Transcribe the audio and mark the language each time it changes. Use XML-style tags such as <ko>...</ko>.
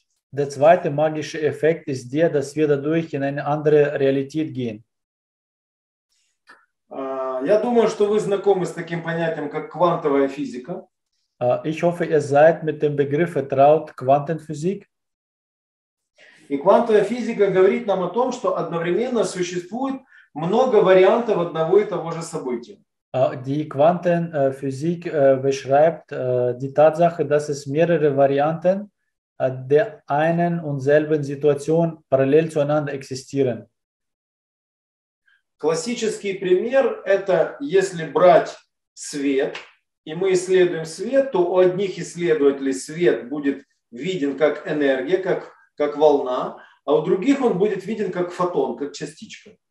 <de>Der zweite magische Effekt ist der, dass wir dadurch in eine andere Realität gehen.</de> <ru>Я думаю, что вы знакомы с таким понятием, как квантовая физика.</ru> <de>Ich hoffe, ihr seid mit dem Begriff vertraut, Quantenphysik.</de> <ru>И квантовая физика говорит нам о том, что одновременно существует много вариантов одного и того же события.</ru> <de>Die Quantenphysik beschreibt die Tatsache, dass es mehrere Varianten der einen und selben Situation parallel zueinander existieren.</de> <ru>Классический пример – это если брать свет, и мы исследуем свет, то у одних исследователей свет будет виден как энергия, как волна, а у других он будет виден как фотон, как частичка.</ru>